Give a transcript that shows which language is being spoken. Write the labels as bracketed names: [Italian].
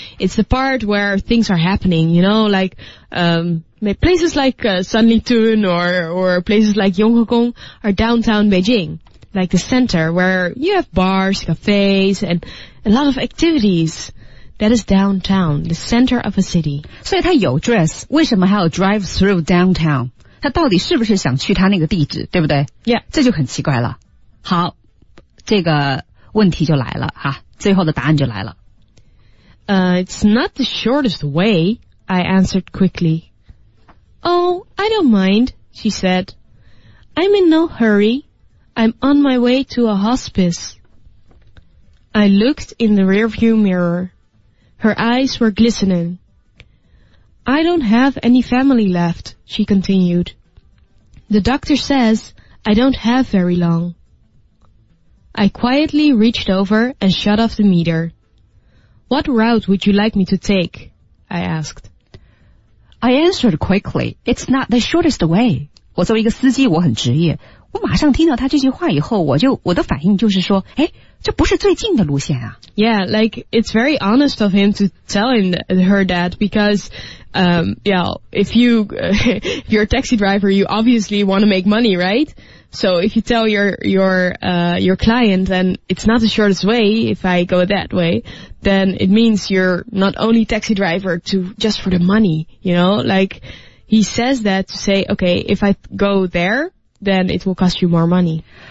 [English] It's the part where things are happening, you know, like, places like Sanlitun or places like Yonghegong are downtown Beijing. Like the center where you have bars, cafes, and a lot of activities. That is downtown, the center of a city. [Chinese] 所以他有 dress, 为什么还要 [English] drive through downtown? [Chinese] 他到底是不是想去他那个地址,对不对? [English] Yeah. [Chinese] 这就很奇怪了。好,这个问题就来了,哈,最后的答案就来了。 [English] It's not the shortest way, I answered quickly. Oh, I don't mind, she said. I'm in no hurry. I'm on my way to a hospice. I looked in the rearview mirror. Her eyes were glistening. I don't have any family left, she continued. The doctor says I don't have very long. I quietly reached over and shut off the meter. What route would you like me to take? I asked. I answered quickly. It's not the shortest way. [Chinese] 我作为一个司机我很职业。我马上听到他这句话以后我的反应就是说诶这不是最近的路线啊 [English] Yeah, like it's very honest of him to tell him, her that because yeah, if you're a taxi driver you obviously want to make money, right? So if you tell your client and it's not the shortest way if I go that way then it means you're not only taxi driver to just for the money you know, like he says that to say, okay, if I go thereThen it will cost you more money.